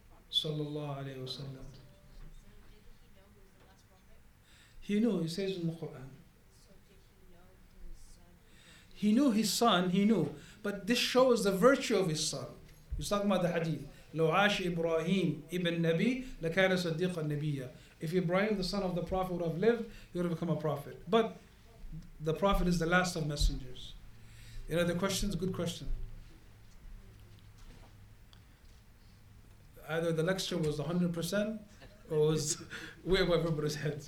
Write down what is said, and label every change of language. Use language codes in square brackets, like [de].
[en] Sallallahu alayhi wa sallam. He knew, he says in the Quran. He knew his son, he knew. But this shows the virtue of his son. He's talking about the hadith. [ar] لو عاش إبراهيم ابن نبي لكان صديقا نبيا. [en] If Ibrahim, the son of the Prophet, would have lived, he would have become a prophet. But the Prophet is the last of messengers. Any other questions? Good question. Either the lecture was 100% or was way above everybody's heads.